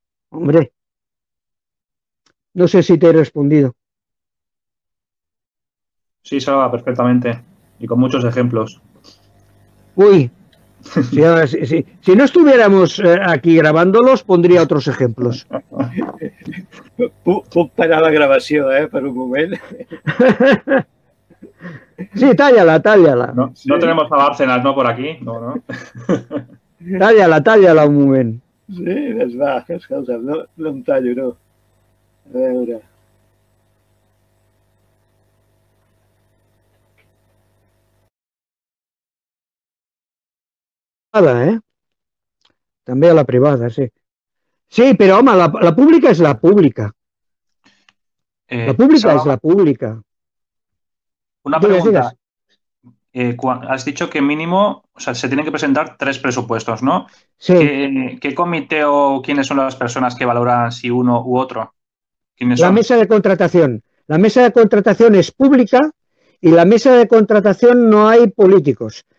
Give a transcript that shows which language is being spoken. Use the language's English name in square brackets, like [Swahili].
[Spanish] Hombre, no sé si te he respondido. Sí, Salva, perfectamente. Y con muchos ejemplos. Uy. Si no estuviéramos aquí grabándolos, pondría otros ejemplos. [Catalan] Puc parar la grabació, per un moment. Sí, tàlla-la. [Spanish] No, no tenemos a Bárcenas, ¿no?, por aquí. No, no. [Catalan] Tàlla-la un moment. Sí, es va, escolta, no em tallo, no. A veure... També a la privada, sí. Sí, però home, la pública és la pública. La pública és la pública. Una pregunta. [Spanish] Has dicho que mínimo, o sea, se tienen que presentar 3 presupuestos, ¿no? Sí. ¿Qué comité o quiénes son las personas que valoran si uno u otro? La mesa de contratación. La mesa de contratación es pública y la mesa de contratación no hay políticos.